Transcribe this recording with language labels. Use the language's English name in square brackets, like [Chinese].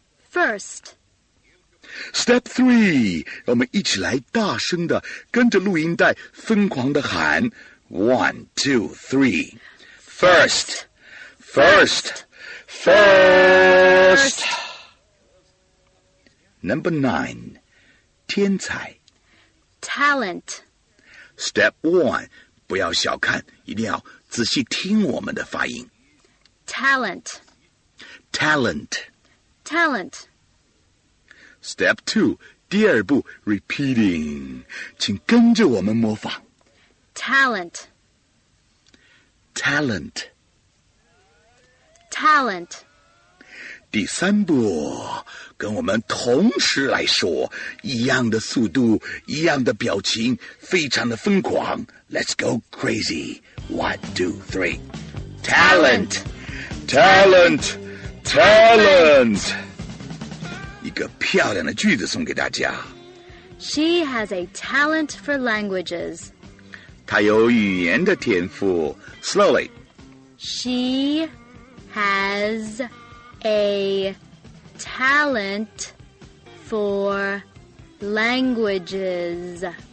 [English] First. Step three， [Chinese] 我们一起来大声的跟着录音带疯狂的喊 ， [English] One, two, three， first， first， first。 Number nine， [Chinese] 天才 [English] ，talent。 Step one， [Chinese] 不要小看，一定要仔细听我们的发音 [English] ，talent， talent， talent。 Step two， [Chinese] 第二步 ， [English] repeating， [Chinese] 请跟着我们模仿。 [English] Talent， talent， talent。 [Chinese] 第三步，跟我们同时来说，一样的速度，一样的表情，非常的疯狂。 [English] Let's go crazy！ One, two, three， talent， talent， talent。 [Chinese] 一个漂亮的句子送给大家。 [English] She has a talent for languages. [Chinese] 她有语言的天赋。 [English] Slowly. She has a talent for languages.